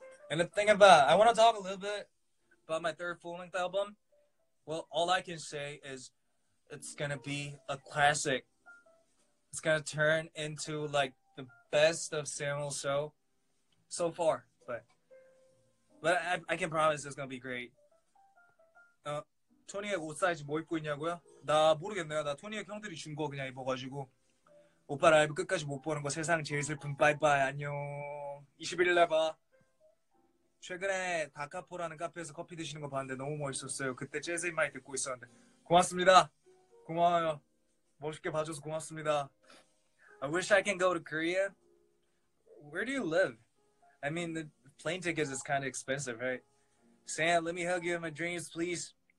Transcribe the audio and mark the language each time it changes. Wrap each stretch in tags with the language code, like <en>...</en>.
<en>And the thing about, I want to talk a little bit about my third full-length album. Well, all I can say is it's going to be a classic. It's going to turn into, like, the best of Samuel's show so far. But But I can promise it's gonna be great.</en> <ko>토니의 옷 사이즈 뭐 입고 있냐고요? 나 모르겠네요. 나 토니의 형들이 준 거 그냥 입어가지고 오빠 라이브 끝까지 못 보는 거 세상 제일 슬픈 빠이빠이 안녕. 21일 날 봐. 최근에 다카포라는 카페에서 커피 드시는 거 봤는데 너무 멋있었어요. 그때 재즈 인 마이 듣고 있었는데 고맙습니다. 고마워요. 멋있게 봐줘서 고맙습니다.</ko> <en>I wish I can go to Korea. Where do you live? I mean, the plane tickets is kind of expensive, right? Sam, let me hug you in my dreams, please.</en>